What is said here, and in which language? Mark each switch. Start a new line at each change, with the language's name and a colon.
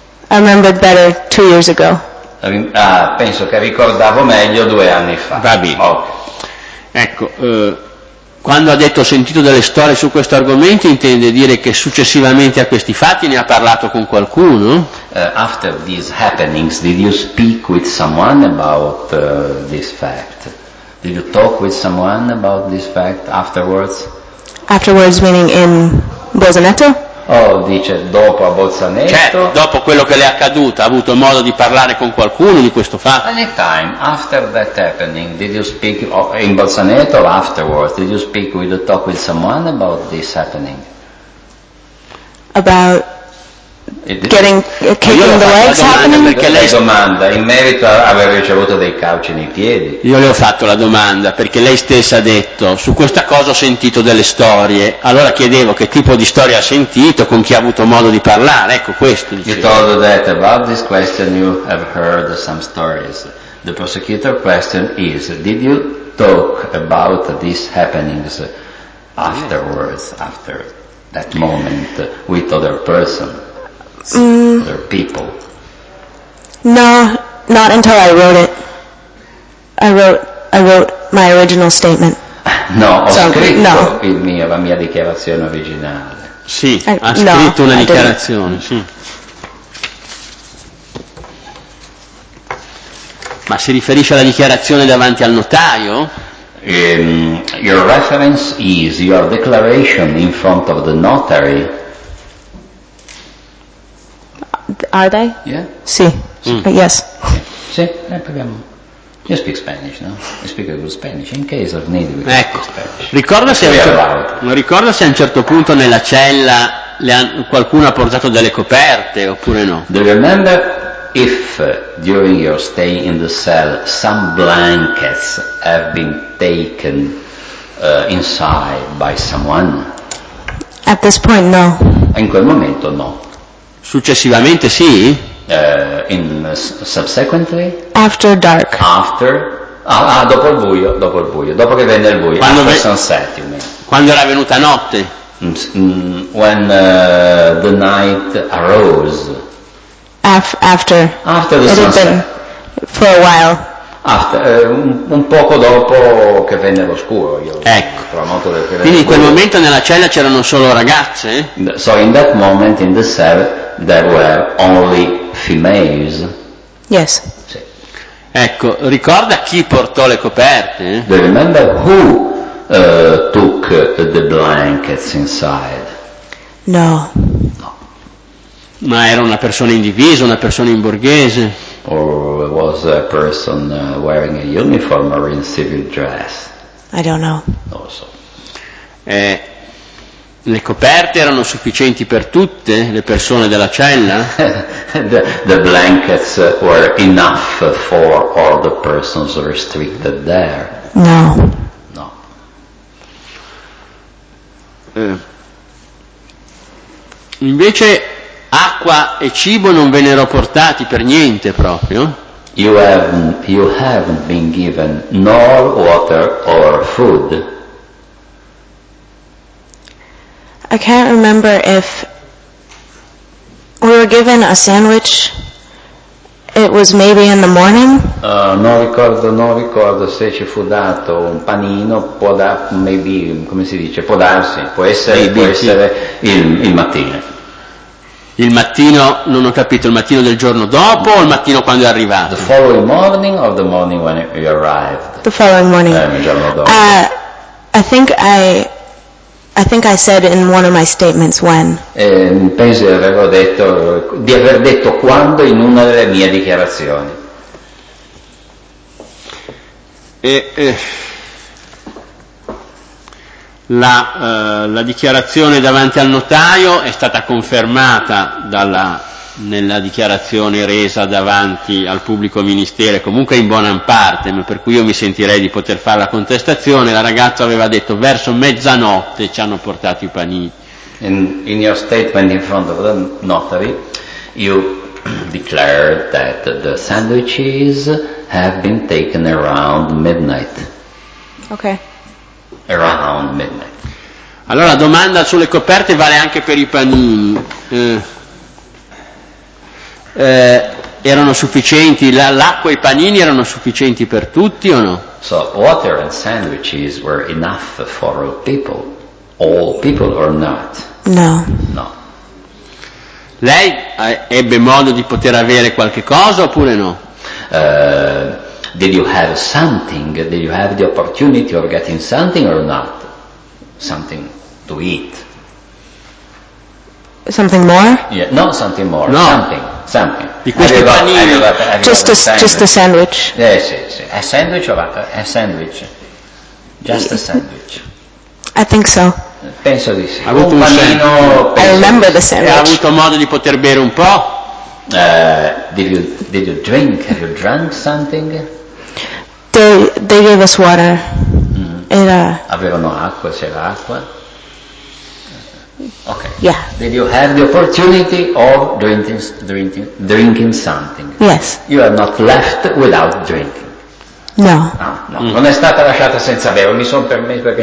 English: I remembered better 2 years ago.
Italian: Penso che ricordavo meglio 2 anni fa. Va bene.
English: Okay.
Italian: Ecco. Quando ha detto ho sentito delle storie su questo argomento, intende dire che successivamente a questi fatti ne ha parlato con qualcuno?
English: After these happenings, did you speak with someone about this fact? Did you talk with someone about this fact afterwards? Afterwards meaning in Bolzaneto?
Italian: Oh, dice dopo a Bolzaneto. Certo, dopo quello che le è accaduto, ha avuto modo di parlare con qualcuno di questo fatto?
English: Any time after that happening, did you speak in Bolzaneto or afterwards? Did you speak with or talk with someone about this happening? About getting kicking the legs happening?
Italian: Perché lei domanda in merito a aver ricevuto dei calci nei piedi. Io le ho fatto la domanda perché lei stessa ha detto su questa cosa ho sentito delle storie. Allora chiedevo che tipo di storia ha sentito, con chi ha avuto modo di parlare. Ecco questo.
English: You told that about this question you have heard some stories. The prosecutor question is, did you talk about these happenings afterwards, yes, after that moment with other person? Other people. No, not until I wrote it. I wrote my original statement.
Italian: No, ho scritto la mia dichiarazione originale. Sì, ha scritto una dichiarazione, sì. Ma si riferisce alla dichiarazione davanti al notaio?
English: Your reference is your declaration in front of the notary. Are they? Yeah.
Italian: Sì.
English: Yes. Sì. You speak Spanish, no? You speak a good Spanish. In case of need, we can speak Spanish.
Italian: Ricorda se a un certo punto nella cella qualcuno ha portato delle coperte oppure no?
English: Do you remember if during your stay in the cell some blankets have been taken inside by someone? At this point, no.
Italian: In quel momento, no. Successivamente sì.
English: Subsequently. After dark.
Italian: Dopo il buio. Quando
English: after sunset, you mean.
Italian: Quando era venuta notte.
English: When the night arose. After the it sunset. Had been for a while.
Italian: Un poco dopo che venne lo scuro. Quindi in quel momento nella cella c'erano solo ragazze.
English: So in that moment in the cell there were only females. Yes.
Italian: Sì. Ecco, ricorda chi portò le coperte?
English: Do you remember who took the blankets inside? No.
Italian: No. Ma era una persona in divisa, una persona in borghese?
English: Or was a person wearing a uniform or in civil dress? I don't know.
Italian: Non lo so. Le coperte erano sufficienti per tutte le persone della cella?
English: the blankets were enough for all the persons restricted there? No.
Italian: No. Invece acqua e cibo non vennero portati per niente proprio?
English: You haven't been given nor water or food. I can't remember if we were given a sandwich. It was maybe in the morning.
Italian: Non ricordo se ci fu dato un panino. Può essere il mattino. Il mattino, non ho capito, il mattino del giorno dopo o il mattino quando è arrivato?
English: The following morning or the morning when you arrived? The following morning.
Italian: Il giorno dopo.
English: I think I said in one of my statements when.
Italian: Penso di aver detto quando in una delle mie dichiarazioni. La dichiarazione davanti al notaio è stata confermata dalla nella dichiarazione resa davanti al pubblico ministero, comunque in buona parte, ma per cui io mi sentirei di poter fare la contestazione, la ragazza aveva detto verso mezzanotte ci hanno portato i panini.
English: In your statement in front of the notary, you declared that the sandwiches have been taken around midnight. Okay. Around midnight.
Italian: Allora la domanda sulle coperte vale anche per i panini. Erano sufficienti l'acqua e i panini erano sufficienti per tutti o no?
English: So water and sandwiches were enough for all people or not? No.
Italian: No. Lei ebbe modo di poter avere qualche cosa oppure no?
English: Did you have something? Did you have the opportunity of getting something or not? Something to eat? Something more? Yeah, not something more. No. Something. Something.
Italian: Di questi panini.
English: Just a sandwich. Yes, yes, yes. A sandwich or a sandwich? Just a sandwich. I think so.
Italian: Penso di sì. Ha avuto un panino.
English: I remember the sandwich.
Italian: Ha avuto modo di poter bere un po'?
English: Did you drink? Have you drunk something? They gave us water. Mm-hmm. Era.
Italian: Avevano acqua, c'era acqua.
English: Okay. Yeah. Did you have the opportunity of drinking something? Yes. You are not left without drinking. No.
Italian: No. Non è stata lasciata senza bere, mi sono permesso perché.